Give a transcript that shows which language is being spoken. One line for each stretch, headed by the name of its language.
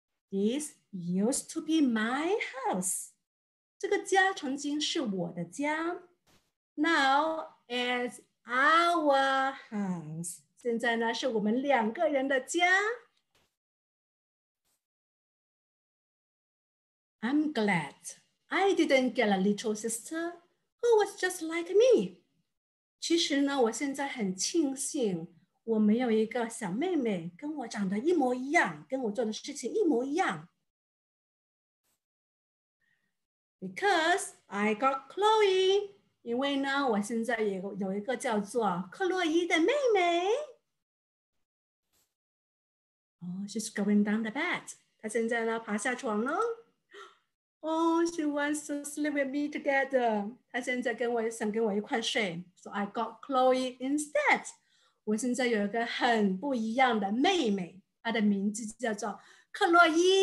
English: This used to be my house.
Chinese: 这个家曾经是我的家。
English: Now it's our house.
Chinese: 现在呢是我们两个人的家。
English: I'm glad I didn't get a little sister who was just like me.
Chinese: 其实呢，我现在很庆幸我们有一个小妹妹跟我长得一模一样，跟我做的事情一模一样。
English: Because I got Chloe，
Chinese: 因为呢，我现在有一个叫做克洛伊的妹妹。
English: Oh, she's going down the bed.
Chinese: 她现在呢，爬下床了。
English: Oh, she wants to sleep with me together.
Chinese: 她现在想跟我一块睡。
English: So I got Chloe instead.
Chinese: 我现在有一个很不一样的妹妹，她的名字叫做克洛伊。